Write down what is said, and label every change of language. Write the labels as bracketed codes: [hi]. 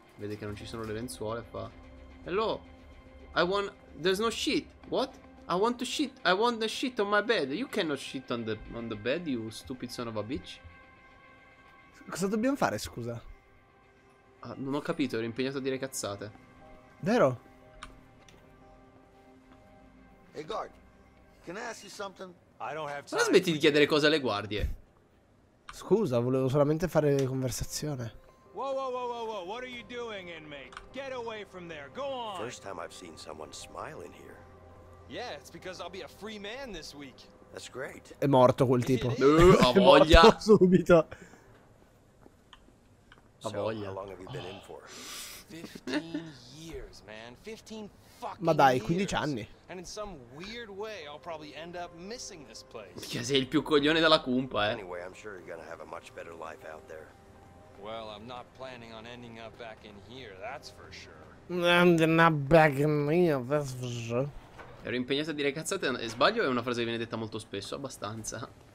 [it] Vede che non ci sono le lenzuole, fa: [en] "Hello, I want... There's no shit. What? I want to shit. I want the shit on my bed. You cannot shit on the bed, you stupid son of a bitch." [it] Cosa dobbiamo fare, scusa? Non ho capito, ero impegnato a dire cazzate. Vero? [en] Hey guard, can I ask you something? I don't have time. [it] Ma smetti di chiedere cose alle guardie. Scusa, volevo solamente fare conversazione. [en] Whoa, what are you doing, inmate? Get away from there, go on! First time I've seen someone smile in here. Yeah, it's because I'll be a free man this week. That's great. [it] È morto quel tipo. A voglia! Morto subito! A voglia. [en] How long have you been in for? 15 years, man. 15 fucking years! [it] Ma dai, 15 anni! [en] And in some weird way, I'll probably end up missing this place. [it] Perché sei il più coglione della cumpa, eh? [en] Anyway, I'm sure you're gonna have a much better life out there. Well, I'm not planning on ending up back in here, that's for sure. [it] Ero impegnato a dire cazzate, e sbaglio, è una frase che viene detta molto spesso, abbastanza.